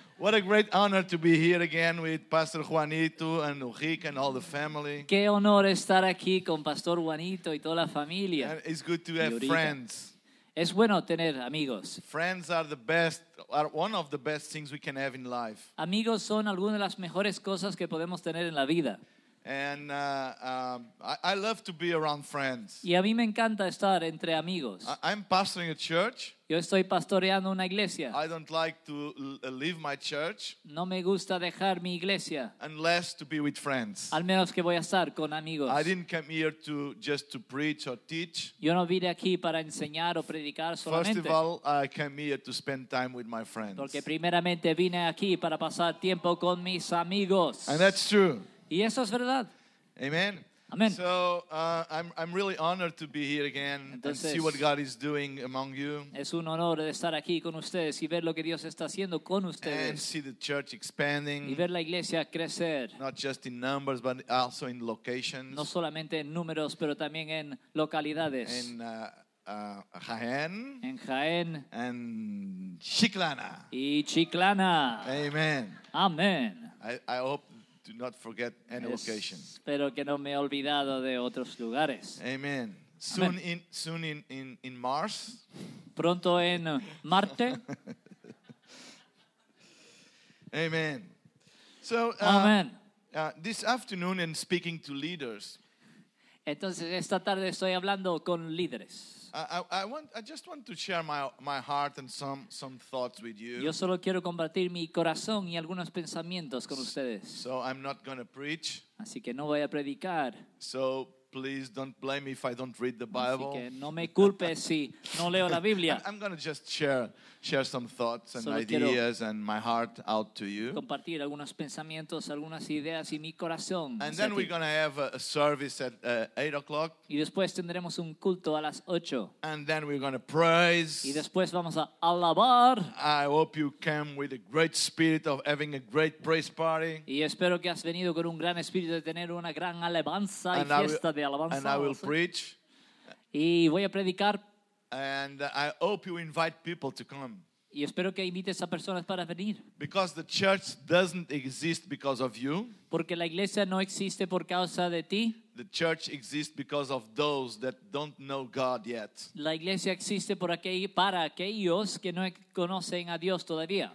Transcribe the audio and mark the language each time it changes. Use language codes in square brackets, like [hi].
[en] What a great honor to be here again with Pastor Juanito and Ulrich and all the family. [es] Qué honor estar aquí con Pastor Juanito y toda la familia. [en] And it's good to have friends. [es] Es bueno tener amigos. [en] Friends are the best, are one of the best things we can have in life. [es] Amigos son algunas de las mejores cosas que podemos tener en la vida. [en] And I love to be around friends. [es] Y a mí me encanta estar entre amigos. [en] I'm pastoring a church. [es] Yo estoy pastoreando una iglesia. [en] I don't like to leave my church. [es] No me gusta dejar mi iglesia. [en] Unless to be with friends. [es] Al menos que voy a estar con amigos. [en] I didn't come here to just to preach or teach. [es] Yo no vine aquí para enseñar o predicar solamente. [en] First of all, I came here to spend time with my friends. [es] Porque primeramente vine aquí para pasar tiempo con mis amigos. [en] And that's true. [es] Y eso es verdad. Amen. Amen. [en] So I'm really honored to be here again. [es] Entonces, [en] and see what God is doing among you. [es] Es un honor estar aquí con ustedes y ver lo que Dios está haciendo con ustedes. [en] And see the church expanding. [es] Y ver la iglesia crecer. [en] Not just in numbers, but also in locations. [es] No solamente en números, pero también en localidades. [en] Jaén. [es] En Jaén. [en] And Chiclana. [es] Y Chiclana. Amen. Amen. [en] I hope. Do not forget any location. [es] Espero que no me he olvidado de otros lugares. [en] Amen. Soon Amen. in Mars. [es] Pronto en Marte. [en] Amen. So, Amen. This afternoon and speaking to leaders. [es] Entonces esta tarde estoy hablando con líderes. [en] I just want to share my heart and some thoughts with you. [es] Yo solo quiero compartir mi corazón y algunos pensamientos con ustedes. [en] So I'm not going to preach. [es] Así que no voy a predicar. [en] So please don't blame me if I don't read the Bible. [es] Así que no me culpe si no leo la Biblia. [en] I'm going to just share some thoughts and ideas and my heart out to you. [es] Compartir algunos pensamientos, algunas ideas y mi corazón. [en] And then we're going to have a service at 8:00. [es] Y después tendremos un culto a las 8. [en] And then we're going to praise. [es] Y después vamos a alabar. [en] I hope you came with a great spirit of having a great praise party. [es] Y espero que has venido con un gran espíritu de tener una gran alabanza y fiesta de alabanza. [en] And I will preach. [es] Y voy a predicar. [en] And I hope you invite people to come. [es] Y espero que invites a personas para venir. [en] Because the church doesn't exist because of you. [es] Porque la iglesia no existe por causa de ti. [en] The church exists because of those that don't know God yet. [es] La iglesia existe para aquellos que no conocen a Dios todavía.